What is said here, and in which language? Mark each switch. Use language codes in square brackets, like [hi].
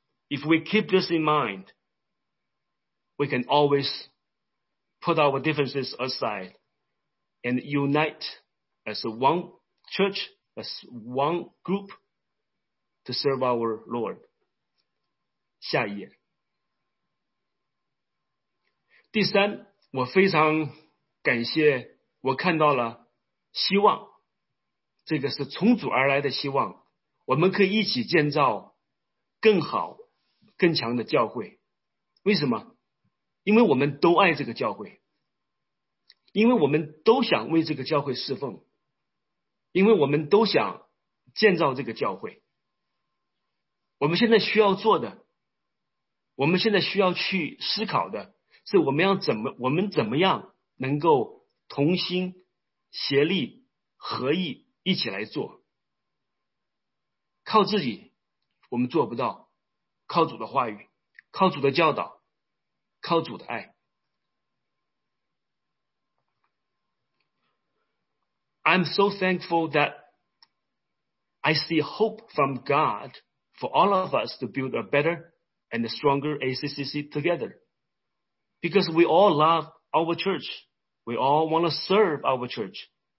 [en] If we keep this in mind, we can always put our differences aside and unite as one church, as one group to serve our Lord. [zh] 下一页。第三，我非常感谢，我看到了希望，这个是从主而来的希望，我们可以一起建造更好更强的教会。为什么？因为我们都爱这个教会，因为我们都想为这个教会侍奉，因为我们都想建造这个教会。我们现在需要做的，我们现在需要去思考的，是我们怎么样能够同心协力合意一起来做。靠自己我们做不到，靠主的话语，靠主的教导，靠主的爱。 [en] I'm so thankful that I see hope from God for all of us to build a better and a stronger ACCC together. Because we all love our church. We all want to serve our church.